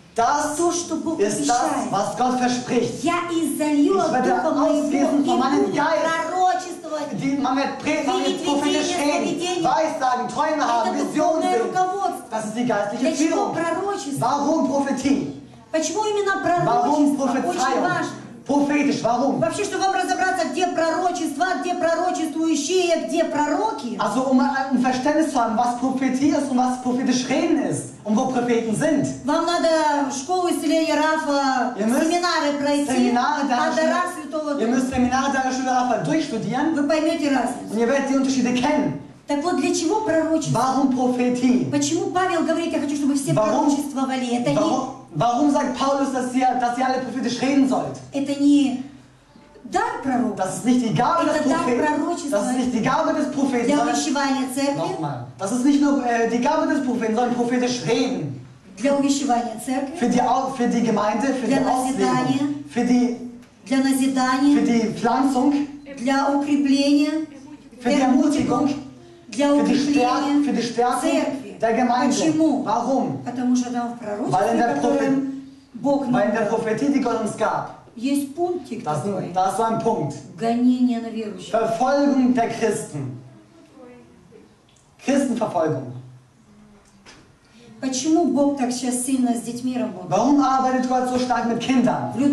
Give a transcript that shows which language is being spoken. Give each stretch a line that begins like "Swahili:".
German: Das ist das, was Gott verspricht. Ich werde ausgießen von meinem Geist. Man wird prophetisch reden, Weissagen, Träume haben, Visionen sehen. Das ist die geistliche Führung. Warum Prophetie?
Russian: Почему именно пророчество? Очень важно.
German: Prophetisch, warum?
Russian: Вообще, чтобы вам разобраться, где пророчества, где пророчествующие, где пророки.
German: Also, um Verständnis zu haben, was Prophetie ist und was prophetisch reden ist. Und wo Propheten sind.
Russian: Вам надо школу исцеления Рафа, семинары пройти.
German: Ihr müsst Seminare der Rashi Rafa durchstudieren.
Russian: Вы поймете разницу.
German: Und ihr werdet die Unterschiede kennen.
Russian: Так вот, для чего пророчество? Почему Павел говорит, я хочу, чтобы все пророчествовали? Это не...
German: Warum sagt Paulus, dass ihr alle prophetisch reden sollt?
Russian: Это не дар пророка.
German: Das ist nicht die Gabe des Propheten. Das ist nicht die Gabe des Propheten.
Russian: Для увещевания церкви.
German: Das ist nicht nur die Gabe des Propheten, sondern prophetisch reden.
Russian: Для увещевания церкви.
German: Für die Gemeinde, für die Auslegung.
Russian: Для назидания.
German: Für die Pflanzung.
Russian: Для укрепления.
German: Für die Ermutigung.
Russian: Для укрепления церкви. Почему?
German: Warum?
Russian: Потому что там в пророчестве, которое Бог нам дал, есть пунктик такой. Гонение на верующих.
German: Verfolgung der Christen. Christenverfolgung.
Russian: Почему Бог так сейчас сильно с детьми работает?
German: Warum arbeitet Gott so stark mit Kindern?